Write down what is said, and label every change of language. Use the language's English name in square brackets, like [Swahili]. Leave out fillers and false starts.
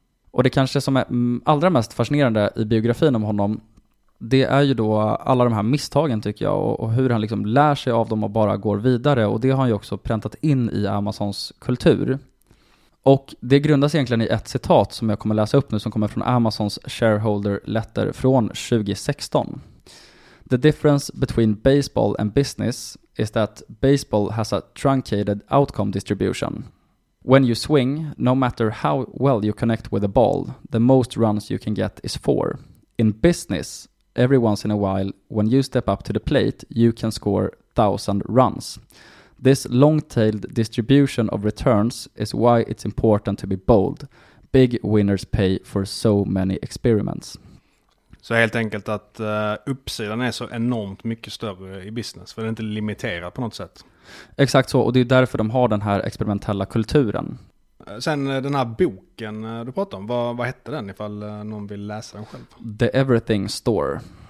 [Swedish] Och det kanske som är allra mest fascinerande i biografin om honom, det är ju då alla de här misstagen tycker jag, och hur han liksom lär sig av dem och bara går vidare, och det har han ju också präntat in i Amazons kultur. Och det grundas egentligen i ett citat som jag kommer läsa upp nu, som kommer från Amazons shareholder letter från 2016. [English] The difference between baseball and business is that baseball has a truncated outcome distribution. When you swing, no matter how well you connect with a ball, the most runs you can get is 4. In business, every once in a while, when you step up to the plate, you can score 1,000 runs. This long-tailed distribution of returns is why it's important to be bold. Big winners pay for so many experiments. [Swedish] Så helt enkelt att uppsidan är så enormt mycket större i business, för det är inte limiterat på något sätt. Exakt så, och det är därför de har den här experimentella kulturen. Sen den här boken du pratade om, vad hette den ifall någon vill läsa den själv? [English] The Everything Store.